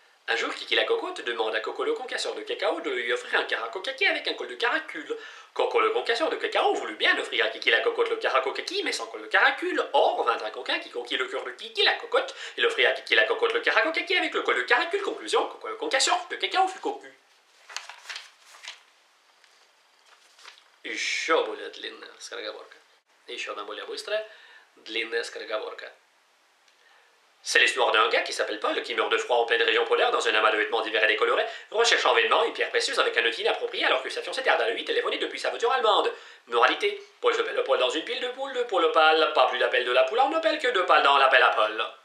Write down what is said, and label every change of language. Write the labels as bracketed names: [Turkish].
[French] Un jour, Kiki la cocotte demande à Coco le concasseur de cacao de lui offrir un caraco kaki avec un col de caracule. Coco le concasseur de cacao voulut bien offrir à Kiki la cocotte le caraco kaki, mais sans col de caracule. Or, vint un coquin qui conquit le cœur de Kiki la cocotte et l'offrit à Kiki la cocotte le caraco kaki avec le col de caracule. Conclusion, Coco le concasseur de cacao fut cocu. [Russian] Еще более длинная скороговорка. Еще одна более быстрая длинная скороговорка. [French] C'est l'histoire d'un gars qui s'appelle Paul, qui meurt de froid en pleine région polaire dans un amas de vêtements divers et décolorés, recherchant vainement une pierre précieuse avec un outil inapproprié alors que sa fiancée tarde à lui téléphoner depuis sa voiture allemande. Moralité, Paul s'appelle Paul dans une pile de poules de poule pâle, pas plus d'appel de la poule en appel que de pâle dans l'appel à Paul.